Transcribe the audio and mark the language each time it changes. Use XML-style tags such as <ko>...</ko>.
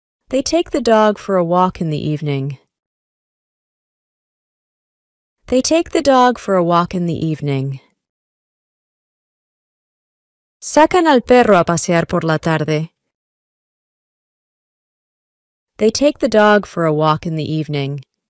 <en>They take the dog for a walk in the evening. They take the dog for a walk in the evening.</en> <es>Sacan al perro a pasear por la tarde.</es> <en>They take the dog for a walk in the evening.</en>